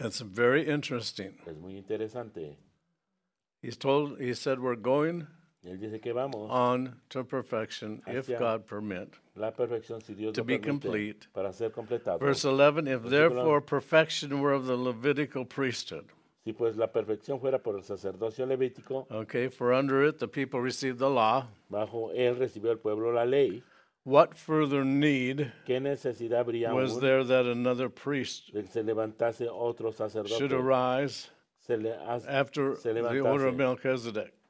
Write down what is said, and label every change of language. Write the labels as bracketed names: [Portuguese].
[English] That's very interesting. [Spanish] Es muy interesante. [English] He said we're going [Spanish] él dice que vamos [English] on to perfection if God permit. [Spanish] La perfección, si Dios [English] to [Spanish] lo [English] be [Spanish] permite, [English] complete. [Spanish] Para ser completado. [English] Verse 11, if therefore perfection were of the Levitical priesthood. [Spanish] Si pues la perfección fuera por el sacerdocio levítico. [English] Okay, for under it the people received the law. [Spanish] Bajo él recibió el pueblo la ley. [English] What further need [Spanish] ¿qué necesidad habría [English] was there that another priest [Spanish] se levantase otro sacerdote [English] should arise [Spanish] se le, [English] after [Spanish] se [English] the order of Melchizedek?